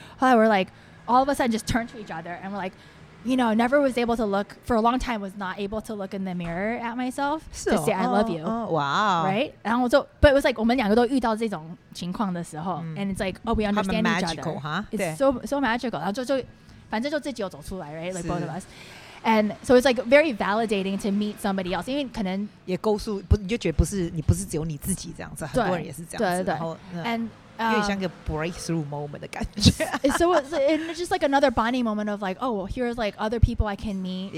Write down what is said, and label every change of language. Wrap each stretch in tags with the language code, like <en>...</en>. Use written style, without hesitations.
<en>后来 we're like all of a sudden just turn to each other and we're like, you know, never was able to look for a long time was not able to look in the mirror at myself、 so, to say I love you. Wow. Right?</en> <zh>然后就</zh> <en>but it was like</en> <zh>我们两个都遇到这种情况的时候、</zh> <en>and it's like oh we understand magical, each other. Huh? It's so magical.</en> <zh>然后就反正就自己有走出来</zh> <en>，right? Like both of us. And so it's like very validating to meet somebody else.</en> <zh>因为可能也告诉不你就觉得不是只有你自己这样子，很多人也是这样子。对然后</zh> <en>and</en> <zh>有点像个</zh> <en>breakthrough moment</en> <zh>的感觉。</zh> <en>So it's just like another bonding moment of like, oh, here's like other people I can meet.</en>